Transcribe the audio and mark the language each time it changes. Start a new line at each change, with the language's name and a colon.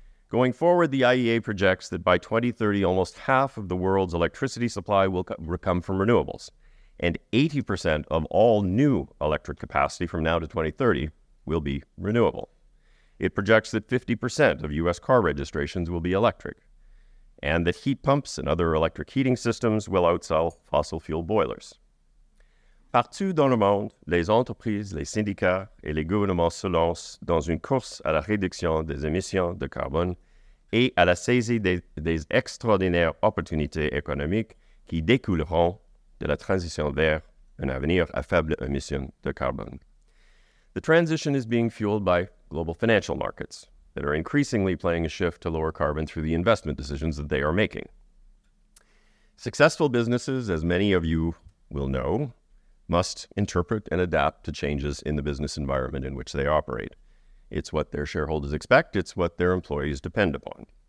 English: Going forward, the IEA projects that by 2030, almost half of the world's electricity supply will come from renewables, and 80% of all new electric capacity from now to 2030 will be renewable. It projects that 50% of US car registrations will be electric, and that heat pumps and other electric heating systems will outsell fossil fuel boilers.
French: Partout dans le monde, les entreprises, les syndicats et les gouvernements se lancent dans une course à la réduction des émissions de carbone et à la saisie des extraordinaires opportunités économiques qui découleront de la transition vers un avenir à faible émission de carbone.
English: The transition is being fueled by global financial markets that are increasingly playing a shift to lower carbon through the investment decisions that they are making. Successful businesses, as many of you will know, must interpret and adapt to changes in the business environment in which they operate. It's what their shareholders expect, it's what their employees depend upon.